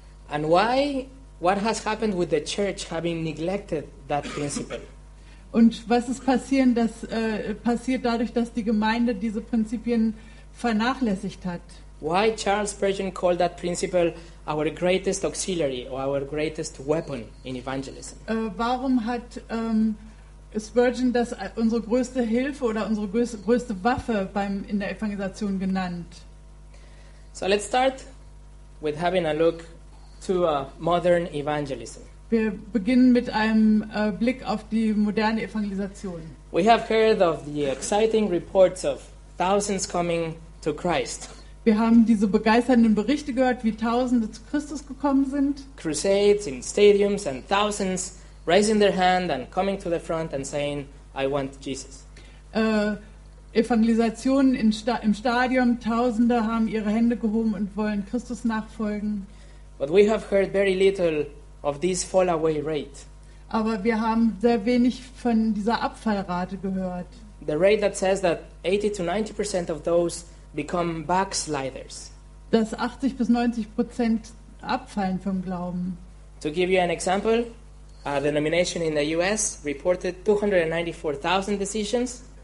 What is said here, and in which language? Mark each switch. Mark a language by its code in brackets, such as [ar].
[en] And why, what has happened with the church having neglected that principle? [de] Und was ist passiert dadurch, dass die Gemeinde diese Prinzipien vernachlässigt hat? [en] Why Charles Spurgeon called that principle our greatest auxiliary or our greatest weapon in evangelism? [de] Warum hat Spurgeon das unsere größte Hilfe oder unsere größte Waffe in der Evangelisation genannt? [en] So let's start with having a look to modern evangelism. [de] Wir beginnen mit einem Blick auf die moderne Evangelisation. [en] We have heard of the exciting reports of thousands coming to Christ. [de] Wir haben diese begeisternden Berichte gehört, wie Tausende zu Christus gekommen sind. [en] Crusades in stadiums and thousands raising their hand and coming to the front and saying, I want Jesus. [de] Evangelisationen im Stadion, Tausende haben ihre Hände gehoben und wollen Christus nachfolgen. [en] But we have heard very little of this fall away rate. [de] Aber wir haben sehr wenig von dieser Abfallrate gehört. [en] The rate that says that 80 to 90% of those become backsliders. [de] Dass 80 bis 90% abfallen vom Glauben. [en] To give you an example, a denomination in the US reported 294,000 decisions.